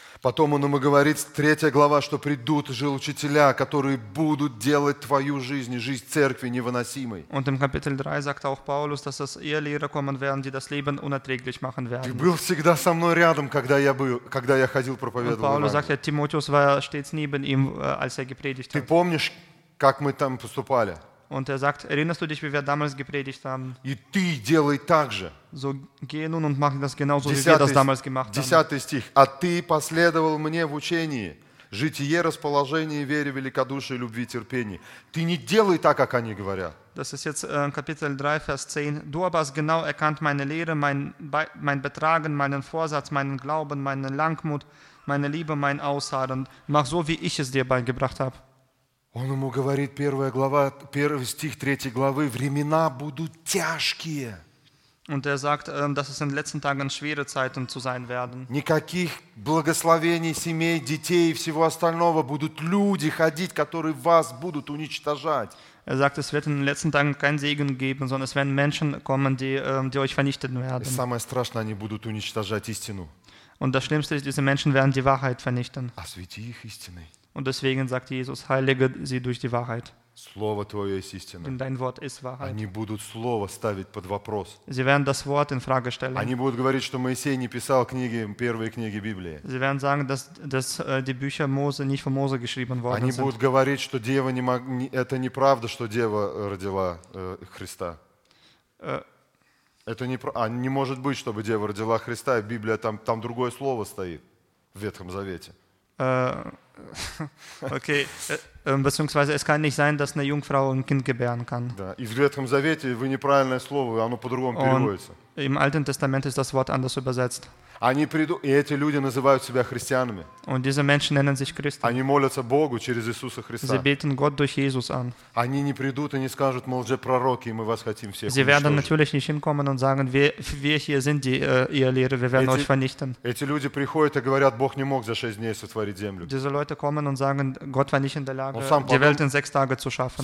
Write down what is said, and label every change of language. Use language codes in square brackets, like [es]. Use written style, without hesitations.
[ru] Потом он ему говорит, третья глава, что придут же учителя, которые будут делать твою жизнь и жизнь церкви невыносимой. [de] Und im Kapitel 3 sagt auch Paulus, dass es ihr Lehrer kommen werden, die das Leben unerträglich machen werden. [ru] Ты был всегда со мной рядом, когда я ходил проповедовать. [de] Paulus sagt, Timotheus war stets neben ihm, als er gepredigt hat. [ru] Ты помнишь? Как мы там поступали? [de] Und er sagt, erinnerst du dich, wie wir damals gepredigt haben? [ru] И ты делай так же. [de] So, geh nun und mach das genauso, wie wir das damals gemacht haben. [ru] 10 стих. А ты последовал мне в учении, житие, расположение, вере, великодушие, любви, терпение. Ты не делай так, как они говорят. [de] Das ist jetzt Kapitel 3, Vers 10. Du aber hast genau erkannt meine Lehre, mein Betragen, meinen Vorsatz, meinen Glauben, meinen Langmut, meine Liebe, mein Ausharren. Mach so, wie ich es dir beigebracht habe. [ru] Он ему говорит, первая глава, первый стих третьей главы, времена будут тяжкие. [de] Und er sagt, dass es in den letzten Tagen schwere Zeiten zu sein werden. [ru] Никаких благословений семей, детей и всего остального будут люди ходить, которые вас будут уничтожать. [de] Er sagt, es wird in den letzten Tagen kein Segen geben, sondern es werden Menschen kommen, die euch vernichten werden. [ru] И самое страшное, они будут уничтожать истину. [de] Und das Schlimmste ist, diese Menschen werden die Wahrheit vernichten. [ru] Освети их истиной. [de] Und deswegen sagt Jesus, heilige sie durch die Wahrheit. [ru] Слово твое есть истина. [de] Denn dein Wort ist Wahrheit. [ru] Они будут слово ставить под вопрос. [de] Sie werden das Wort in Frage stellen. [ru] Они будут говорить, что Моисей не писал книги, первые книги Библии. [de] Sie werden sagen, dass die Bücher Mose nicht von Mose geschrieben worden [ru] Они [de] sind. [ru] Они будут говорить, что Дева не мог... Это неправда, что Дева родила Христа. Это не... А не может быть, чтобы Дева родила Христа, и Библия там другое слово стоит в Ветхом Завете. [de] Okay, beziehungsweise es kann nicht sein, dass eine Jungfrau ein Kind gebären kann. [ru] Да. И в Ветхом Завете вы неправильное слово, оно по-другому переводится. [de] Im Alten Testament ist das Wort anders übersetzt. [ru] Они придут, и эти люди называют себя христианами. [de] Und diese Menschen nennen sich Christen. [ru] Они молятся Богу через Иисуса Христа. [de] Sie beten Gott durch Jesus an. [ru] Они не придут и не скажут, мол, же пророки, и мы вас хотим всех уничтожить. [de] Sie werden natürlich nicht hinkommen und sagen, wir hier sind ihr Lehrer, wir werden euch vernichten. [ru] Эти люди приходят и говорят, Бог не мог за шесть дней сотворить землю. [de] Diese Leute kommen und sagen, Gott war nicht in der Lage, die Welt in sechs Tage zu schaffen.